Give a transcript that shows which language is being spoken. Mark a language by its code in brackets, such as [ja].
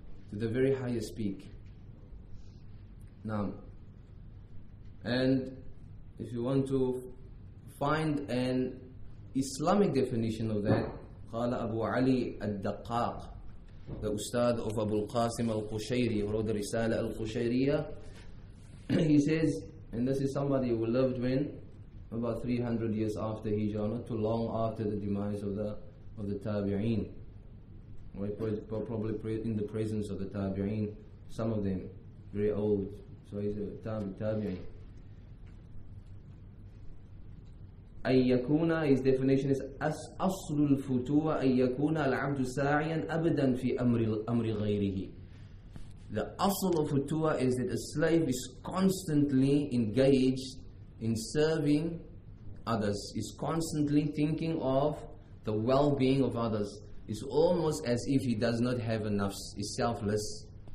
[en] To the very highest peak. Now, and if you want to find an Islamic definition of that, قال أبو علي الدقاق, the Ustad of Abu al-Qasim al-Qushayri, who wrote the Risala al-Qushayriya, he says, and this is somebody who lived when? About 300 years after Hijrah, not too long after the demise of the Tabi'een. Probably in the presence of the Tabi'een, some of them, very old. So he's a Tabi'een. [ar] Ayyakuna, [en] his definition is, [ar] أَصْلُ الْفُتُوَ أَيَّكُونَ الْعَبْدُ سَاعِيًا أَبْدًا فِي أَمْرِ غَيْرِهِ. [en] The asl of futuwa is that a slave is constantly engaged in serving others, is constantly thinking of the well-being of others. It's almost as if he does not have enough. He's selfless.